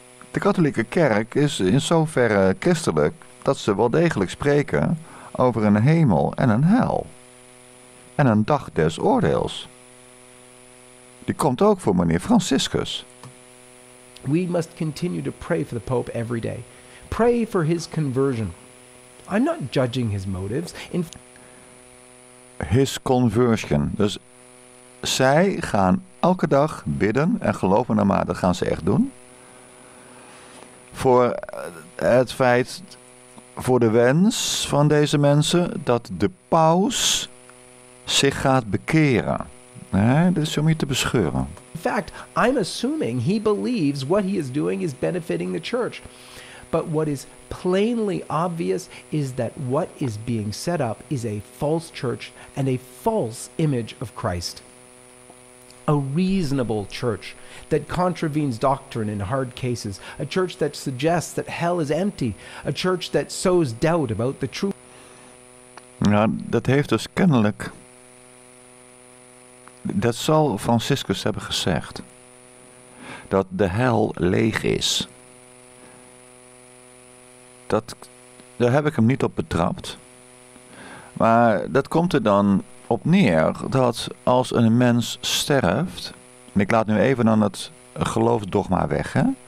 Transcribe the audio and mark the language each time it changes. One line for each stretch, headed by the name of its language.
Dutch: De katholieke kerk is in zoverre christelijk dat ze wel degelijk spreken over een hemel en een hel. En een dag des oordeels. Die komt ook voor meneer Franciscus.
English: We must continue to pray for the Pope every day. Pray for his conversion. I'm not judging his motives. His conversion.
Dutch: Dus zij gaan elke dag bidden en geloven naar mate, dat gaan ze echt doen. Voor het feit, voor de wens van deze mensen, dat de paus zich gaat bekeren. Dat is om je te bescheuren.
English: In fact, I'm assuming he believes what he is doing is benefiting the church. But what is plainly obvious is that what is being set up is a false church and a false image of Christ. A reasonable church that contravenes doctrine in hard cases. A church that suggests that hell is empty. A church that sows doubt about the truth.
Dutch: Ja, dat heeft dus kennelijk... Dat zal Franciscus hebben gezegd. Dat de hel leeg is. Dat, daar heb ik hem niet op betrapt. Maar dat komt er dan op neer dat als een mens sterft, en ik laat nu even dan het geloofdogma weg, hè?